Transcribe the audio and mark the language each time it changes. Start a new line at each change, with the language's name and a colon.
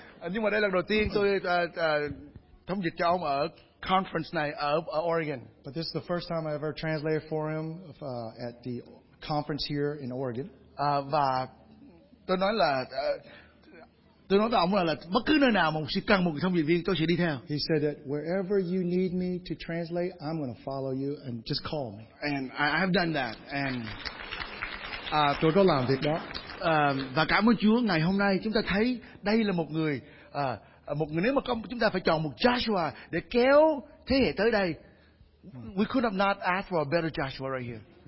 Vietnamese: Nhưng mà đây là lần đầu tiên tôi thông dịch cho ông ở conference này ở Oregon.
English: But this is the first time I ever translated for him at the conference here in Oregon.
Vietnamese: Và tôi nói với ông là bất cứ nơi nào mà sẽ cần một thông dịch viên tôi sẽ đi theo.
English: He said that wherever you need me to translate, I'm going to follow you and just call me. And I have done that. And
Vietnamese: tôi có làm việc đó. Và cảm ơn Chúa, ngày hôm nay chúng ta thấy đây là một người nếu mà chúng ta phải chọn một Joshua để kéo thế hệ tới đây.
English: We could have not asked for a better Joshua right here.